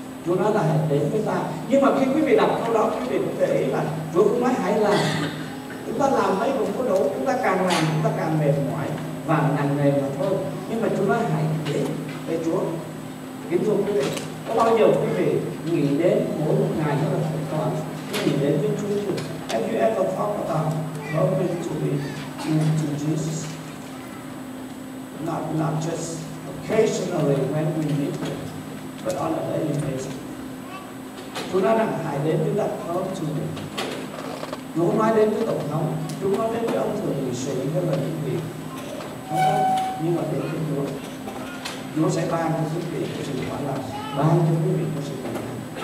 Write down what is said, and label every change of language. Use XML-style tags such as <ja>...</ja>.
<vi>Chúa nói là hãy đến với ta. Nhưng mà khi quý vị đọc câu đó, quý vị cũng để ý là Chúa cũng nói hãy làm. Chúng ta làm mấy cũng có đủ, chúng ta càng làm chúng ta càng mệt mỏi và nặng nề mà thôi. Nhưng mà chúng ta hãy đến với Chúa. Kính thưa quý vị, có bao giờ quý vị nghĩ đến mỗi một ngày đó là phải có, nghĩ đến với Chúa chứ?</vi> <en>Have you ever thought about going to be to Jesus? Not just occasionally when we need him, but on a daily basis.</en> <vi>Chúng ta rằng hãy đến với ta,</vi> <en>come to me.</en> <vi>Chúa nói đến với Tổng thống, Chúa nói đến với ông thượng nghị sĩ hay là những việc. Nhưng mà đến với Chúa, Chúa sẽ ban cho quý vị có sự hoãn lòng, ban cho quý vị có sự bình an.</vi>